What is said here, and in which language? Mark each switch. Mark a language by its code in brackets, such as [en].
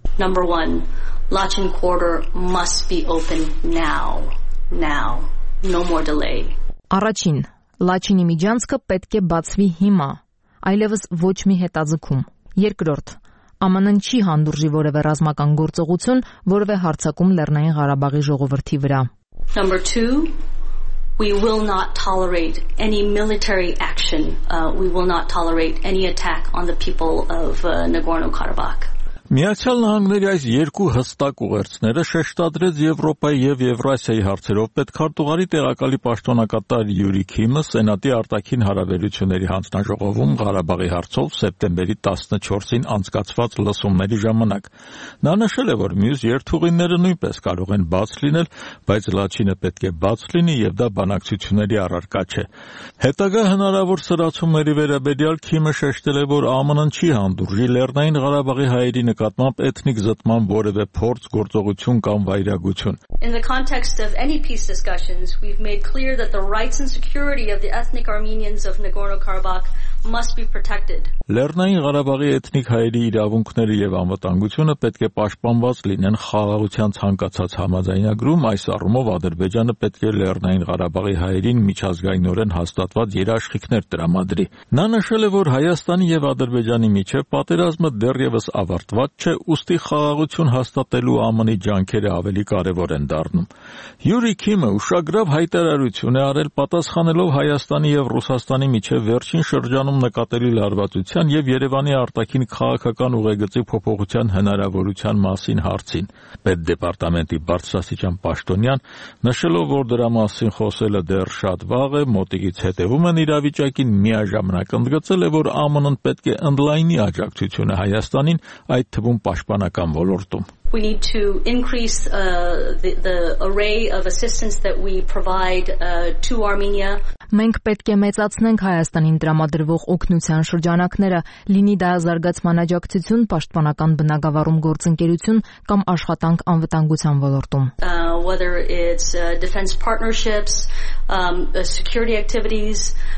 [en] Number one, Lachin Quarter must be open now. Now. No more delay. [hy] Առաջին, Lachin-ի միջանցքը պետք է բացվի հիմա, այլևս ոչ մի հետաձգում. Երկրորդ, ԱՄՆ-ն չի հանդուրժի որևէ ռազմական գործողություն, որևէ հարձակում Լեռնային Ղարաբաղի ժողովրդի վրա. [en] Number two, we will not tolerate any military action. We will not tolerate any attack on the people of Nagorno-Karabakh. [hy] Միացյալ Նահանգների այս երկու հստակ ուղերձները շեշտադրեց Եվրոպայի և Եվրասիայի հարցերով պետքարտուղարի տեղակալի պաշտոնակատար Յուրի Քիմը Սենատի արտաքին հարաբերությունների հանձնաժողովում Ղարաբաղի հարցով սեպտեմբերի 14-ին անցկացված լսումների ժամանակ։ Նա նշել է, որ մյուս երթուղիները նույնպես կարող են բաց լինել, բայց Լաչինը պետք է բաց լինի և դա բանակցությունների առարկա չէ։ Հետագա հնարավոր սրացումների վերաբերյալ Քիմը շեշտել է, որ ԱՄՆ-ն չի հանդուրժի Լեռնային Ղարաբաղի հայերի նկատմամբ էթնիկ զտման որևէ փորձ, գործողություն կամ վայրագություն։ [en] In the context of any peace discussions, we've made clear that the rights and security of the ethnic Armenians of Nagorno-Karabakh must be protected. [hy] Լեռնային Ղարաբաղի էթնիկ հայերի իրավունքները եւ անվտանգությունը պետք է պաշտպանված լինեն խաղաղության ցանկացած համաձայնագրում, այս առումով Ադրբեջանը պետք է Լեռնային Ղարաբաղի հայերին միջազգայինորեն հաստատված երաշխիքներ տրամադրի։ Նա նշել է, որ Հայաստանի եւ Ադրբեջանի միջև պատերազմը դեռևս ավարտված չէ, ուստի խաղաղություն հաստատելու ԱՄՆ-ի ջանքերը ավելի կարևոր են դառնում։ Յուրի Քիմը ուշագրավ հայտարարություն է արել պատասխանելով Հայաստանի եւ Ռուսաստանի միջև վերջին ժանում նկատելի լարվածության եւ Երևանի արտաքին քաղաքական ուղեգծի փոփոխության հնարավորության մասին հարցին։ Պետդեպարտամենտի բարձրաստիճան պաշտոնյան նշելով, որ դրա մասին խոսելը դեռ շատ վաղ է, մոտիկից հետևում են իրավիճակին, միաժամանակ ընդգծել է, որ ԱՄՆ-ն պետք է ընդլայնի աջակցությունը Հայաստանին, այդ թվում պաշտպանական ոլորտում։ [en] We need to increase the array of assistance that we provide to Armenia. [hy] Մենք պետք է մեծացնենք Հայաստանին տրամադրվող օգնության շրջանակները, լինի դա զարգացման աջակցություն, պաշտպանական բնագավառում գործընկերություն կամ աշխատանք անվտանգության ոլորտում. [en] Whether it's defense partnerships, security activities.